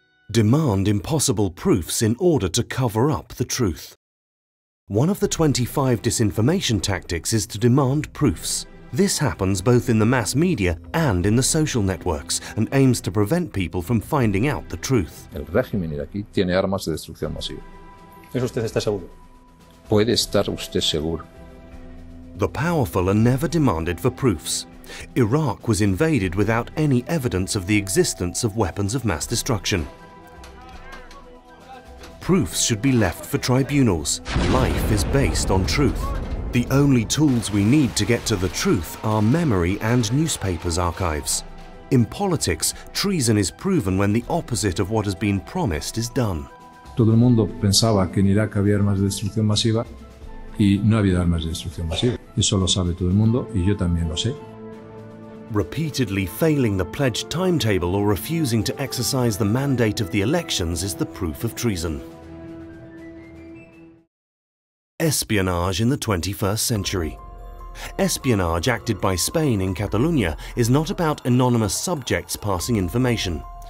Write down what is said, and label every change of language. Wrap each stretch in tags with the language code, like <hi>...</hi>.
<en>Demand impossible proofs in order to cover up the truth. One of the 25 disinformation tactics is to demand proofs. This happens both in the mass media and in the social networks and aims to prevent people from finding out the truth.</en> <es>El régimen iraquí tiene armas de destrucción masiva. ¿Eso usted está seguro? ¿Puede estar usted seguro?</es> <en>The powerful are never demanded for proofs. Iraq was invaded without any evidence of the existence of weapons of mass destruction. Proofs should be left for tribunals. Life is based on truth. The only tools we need to get to the truth are memory and newspapers archives. In politics, treason is proven when the opposite of what has been promised is done.</en> <es>Todo el mundo pensaba que en Irak había armas de destrucción masiva y no había armas de destrucción masiva. Eso lo sabe todo el mundo y yo también lo sé.</es> <en>Repeatedly failing the pledged timetable or refusing to exercise the mandate of the elections is the proof of treason. Espionage in the 21st century. Espionage acted by Spain in Catalonia is not about anonymous subjects passing information.</en>